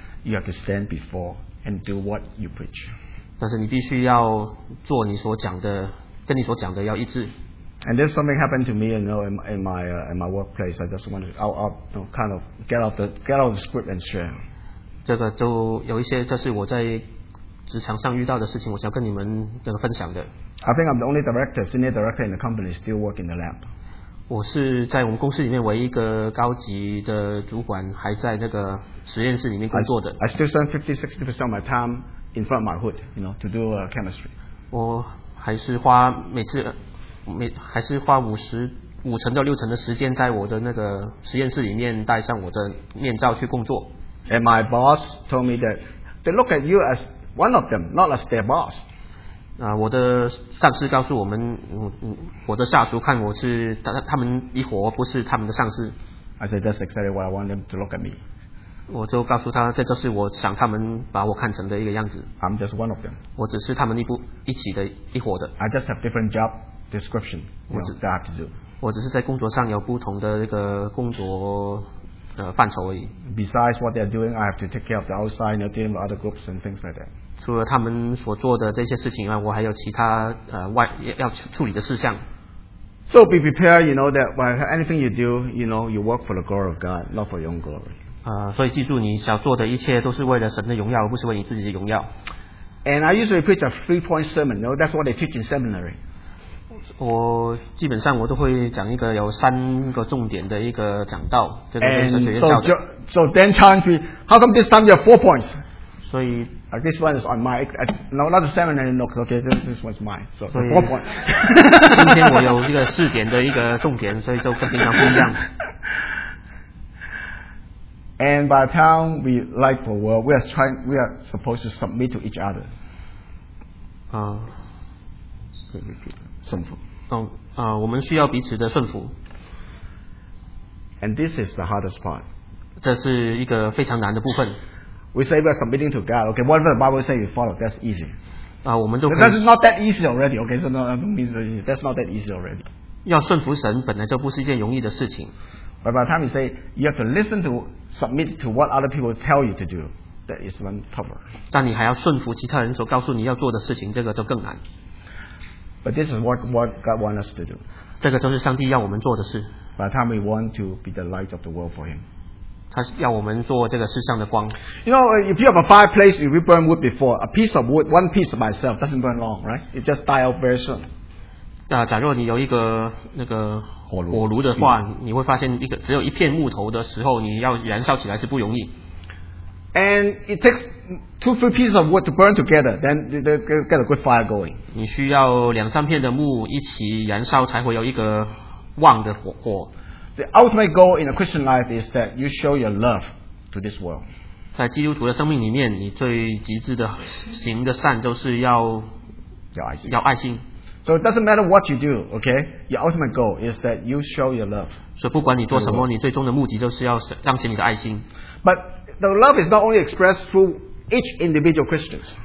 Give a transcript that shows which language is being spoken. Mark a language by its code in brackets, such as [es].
[en] You have to stand before and do what you preach. [zh] 但是你必须要做你所讲的，跟你所讲的要一致。 [en] And there's something happened to me, you know, in my workplace. I just wanted to get out of the script and share. [zh] 这个就有一些，这是我在职场上遇到的事情，我想跟你们这个分享的。 [en] I think I'm the only director, senior director in the company still working the lab. [zh] 我是在我们公司里面唯一一个高级的主管，还在那个实验室里面工作的。 [en] I still spend 50-60% of my time in front of my hood, you know, to do chemistry. [zh] 我还是花每次还是花50-60% 的时间在我的那个实验室里面戴上我的面罩去工作。 [en] And my boss told me that they look at you as one of them, not as their boss. [zh] 我的上司告诉我们，我的下属看我是他们一伙，不是他们的上司。 [en] I said that's exactly what I want them to look at me. [zh] 我就告诉他，这就是我想他们把我看成的一个样子。 [en] I'm just one of them. [zh] 我只是他们一伙的。 [en] I just have different job description. You know, that I have to do. [zh] 我只是在工作上有不同的一个工作。范畴而已。 [en] Besides what they are doing, I have to take care of the outside, you know, dealing with other groups and things like that. [zh] 除了他们所做的这些事情以外，我还有其他外要处理的事项。 [en] So be prepared, you know, that whatever anything you do, you know, you work for the glory of God, not for your own glory. [zh] 所以记住，你想做的一切都是为了神的荣耀，而不是为你自己的荣耀。 [en] And I usually preach a three-point sermon. You know, that's what they teach in seminary. [zh] 我基本上我都会讲一个有三个重点的一个讲道，这个是神学院教的。 [en] And so then time to how come this time you have 4 points? [zh] 所以 [en] this one is on my no not the seminary notes okay this one is mine so 4 points. [zh] 今天我有一个四点的一个重点，所以就跟平常不一样。 [en] And by the time we light for work, we are supposed to submit to each other. [zh] We 们需要彼此的顺服。 [en] And this is the hardest part. [zh] 这是一个非常难的部分。 [en] We say we are submitting to God. Okay, whatever the Bible says, you follow. That's easy. [zh] 我们就 [en] That's not that easy already. Okay, so no, don't mean easy. That's not that easy already. [zh] 要顺服神本来就不是一件容易的事情。 [en] But by the time you say you have to listen to submit to what other people tell you to do, that is even tougher. [zh] 但你还要顺服其他人所告诉你要做的事情，这个就更难。 [en] But this is what God wants us to do. [zh] 这个就是上帝要我们做的事。 [en] By the time we want to be the light of the world for Him. [zh] 他要我们做这个世上的光。 [en] You know, if you have a fireplace, if you burn wood before, a piece of wood, one piece by itself doesn't burn long, right? It just die out very soon. [zh] 假如你有一个那个火炉的话，你会发现一个只有一片木头的时候，你要燃烧起来是不容易。 [en] And it takes 2-3 pieces of wood to burn together, then they get a good fire going. [zh] 你需要两三片的木一起燃烧，才会有一个旺的火。 [en] The ultimate goal in a Christian life is that you show your love to this world. [zh] 在基督徒的生命里面，你最极致的行的善就是要爱心。 [en] So it doesn't matter what you do, okay? Your ultimate goal is that you show your love. [zh] 所以不管你做什么，你最终的目的就是要彰显你的爱心。 [en] But the love is not only expressed through each individual Christians.